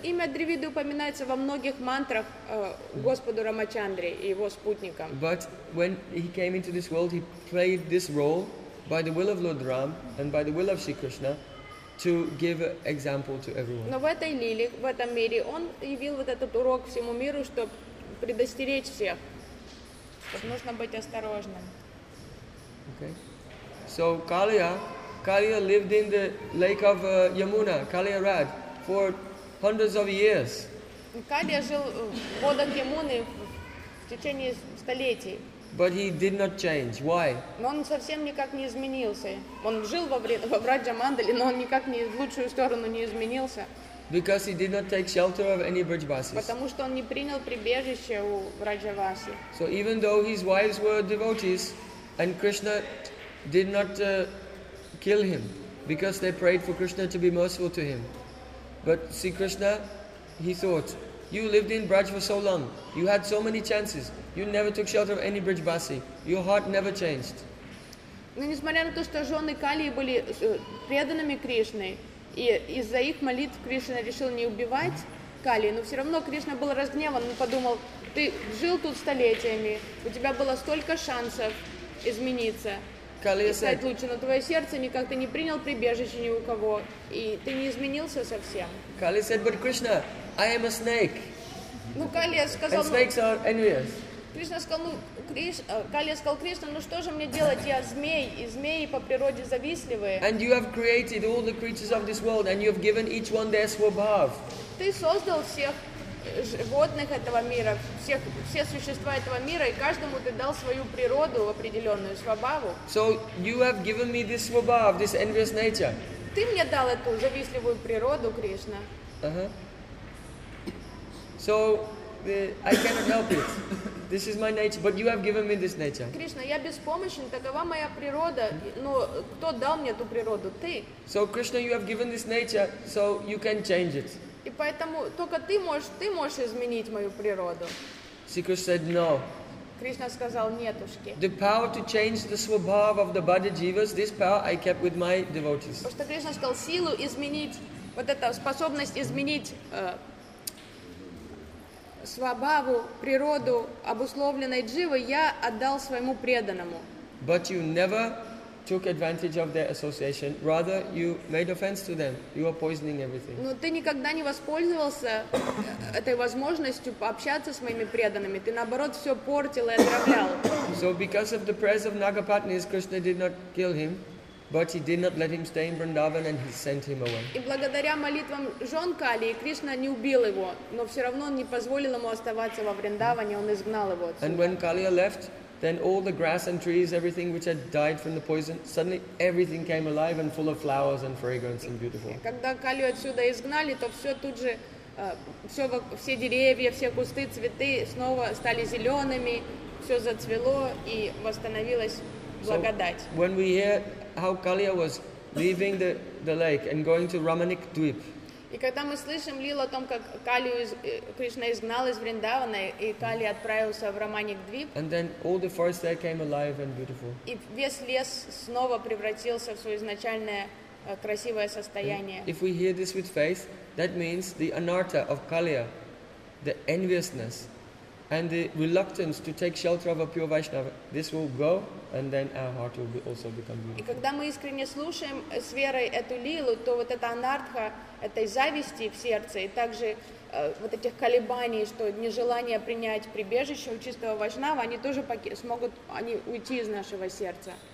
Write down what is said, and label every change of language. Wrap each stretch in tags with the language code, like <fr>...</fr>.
<ru>Имя Дравиды упоминается во многих мантрах Господу Рамачандре и его спутникам.</ru> <en>But when he came into this world, he played this role by the will of Lord Ram and by the will of Sri Krishna to give example to everyone.</en> <ru>Но в этой лиле, в этом мире, он явил вот этот урок всему миру, чтобы предостеречь всех. Нужно быть осторожным.</ru> <en>Okay. So Kaliya lived in the lake of Yamuna, Kaliya Rad, for hundreds of years.</en> <ru>Kaliya жил в водах Ямуны в течение столетий.</ru> <en>But he did not change. Why?</en> <ru>Но он совсем никак не изменился. Он жил во Враджа Мандале, но он никак не в лучшую сторону не изменился.</ru> <en>Because he did not take shelter of any Brajavasis.</en> <ru>Потому что он не принял прибежище у Враджаваси.</ru> <en>So even though his wives were devotees, and Krishna did not kill him, because they prayed for Krishna to be merciful to him. But see, Krishna, he thought, you lived in Braj for so long, you had so many chances, you never took shelter of any Brajavasi, your heart never changed.</en> <ru>Но несмотря на то, что жены Калии были преданными Кришне, и из-за их молитв Кришна решил не убивать Кали, но все равно Кришна был разгневан. Он подумал, ты жил тут столетиями, у тебя было столько шансов измениться Калия и стать лучше, но твое сердце никак ты не принял прибежище ни у кого, и ты не изменился совсем.</ru> <en>Кали said, but Krishna, I am a snake.</en> <ru>Ну, Калия сказал,</ru> <en>and snakes are envious.</en> <ru>Кришна сказал, Калия сказал Кришна, ну что же мне делать, я змей, и змеи по природе завистливые.</ru> <en>And you have created all the creatures of this world, and you have given each one their swabhav.</en> <ru>Ты создал всех животных этого мира, все существа этого мира, и каждому ты дал свою природу определенную, свабаву.</ru> <en>So you have given me this swabhav, this envious nature.</en> <ru>Ты мне дал эту завистливую природу, Кришна.</ru> <en>So I cannot help it. This is my nature, but you have given me this nature.</en> <ru>Кришна, я беспомощен, такова моя природа, но кто дал мне эту природу? Ты.</ru> <en>So Krishna, you have given this nature, so you can change it.</en> <ru>И поэтому только ты можешь изменить мою природу.</ru> <en>Krishna said no.</en> <ru>Krishna сказал нетушки.</ru> <en>The power to change the swabhava of the bodhijivas, this power I kept with my devotees.</en> <ru>Потому что Кришна сказал силу изменить вот эту способность изменить свабаву, природу обусловленной дживы я отдал своему преданному.</ru> <en>But you never took advantage of their association. Rather, you made offense to them. You are poisoning everything.</en> <ru>Но ты никогда не воспользовался этой возможностью пообщаться с моими преданными. Ты наоборот все портил и отравлял.</ru> <en>So because of the prayers of Nagapatnis, Krishna did not kill him, but he did not let him stay in Vrindavan and he sent him away.</en> <ru>И благодаря молитвам жен Кали, Кришна не убил его, но все равно он не позволил ему оставаться во Вриндаване, он изгнал его отсюда.</ru> <en>And when Kaliya left, then all the grass and trees, everything which had died from the poison, suddenly everything came alive and full of flowers and fragrance and beautiful.</en> <ru>Когда Калию отсюда изгнали, то все тут же, все деревья, все кусты, цветы снова стали зелеными, все зацвело и восстановилась благодать.</ru> <en>So when we hear how Kaliya was leaving the lake and going to Ramanik Dweep,</en> <ru>и когда мы слышим лил о том, как Калию Кришна изгнал из Вриндавана, и Калия отправился в Раманик Двип.</ru> <en>And then all the forest there came alive and beautiful.</en> <ru>И весь лес снова превратился в свое изначальное красивое состояние.</ru> <en>If we hear this with faith, that means the anartha of Kaliya, the enviousness and the reluctance to take shelter of a pure Vaishnava, this will go, and then our heart will also become beautiful.</en> <ru>И когда мы искренне слушаем с верой эту лилу, то вот эта анартха этой зависти в сердце и также вот этих колебаний, что нежелание принять прибежище у чистого Вайшнава, они тоже смогут они уйти из нашего сердца.</ru>